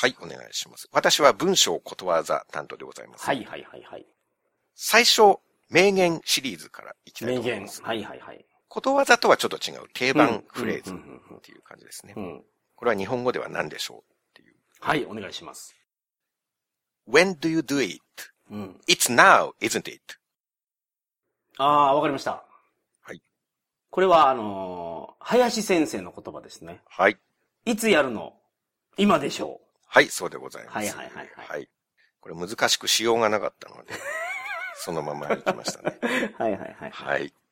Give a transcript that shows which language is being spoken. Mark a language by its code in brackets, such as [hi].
[ja] はい、お願いします。私は文章ことわざ担当でございます。はいはいはいはい。最初、名言シリーズからいきたいと思います。名言。はいはいはい。ことわざとはちょっと違う定番フレーズっていう感じですね。これは日本語では何でしょうっていう。はい、お願いします。 [en] When do you do it?、うん、It's now, isn't it? [ja] ああ、わかりました。はい。これは、林先生の言葉ですね。はい。いつやるの?今でしょう。はい、そうでございます。はいはいはい、はい。はい。これ難しくしようがなかったので、そのまま行きましたね。はいはいはい。はい。